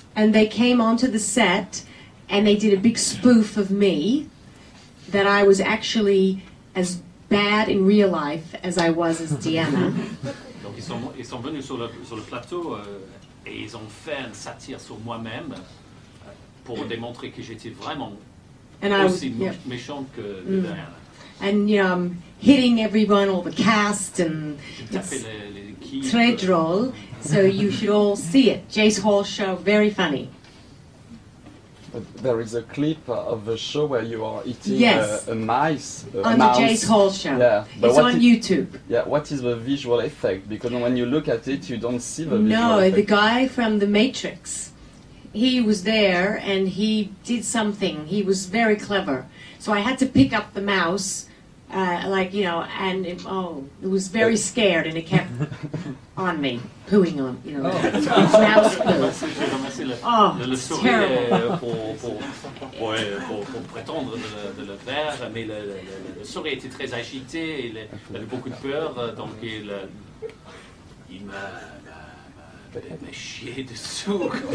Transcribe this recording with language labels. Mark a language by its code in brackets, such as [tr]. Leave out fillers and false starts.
[en] And they came onto the set and they did a big spoof of me, that I was actually as bad in real life as I was as Deanna. [fr] Donc ils sont venus sur le plateau et ils ont fait une satire sur moi-même pour démontrer que j'étais vraiment aussi méchant que Deanna. [en] And hitting everyone, all the cast, and [fr] très drôle. [en] So you should all see it. Jace Hall Show, very funny. There is a clip of the show where you are eating mouse. The Jace Hall Show. Yeah. But it's on YouTube. Yeah, what is the visual effect? Because when you look at it, you don't see the visual effect. No, the guy from The Matrix, he was there and he did something. He was very clever. So I had to pick up the mouse, it was very scared and it kept on me. Pooing on, [fr] Pour prétendre de le faire, mais le souris était très agité, il avait beaucoup de peur, donc il m'a chié dessous.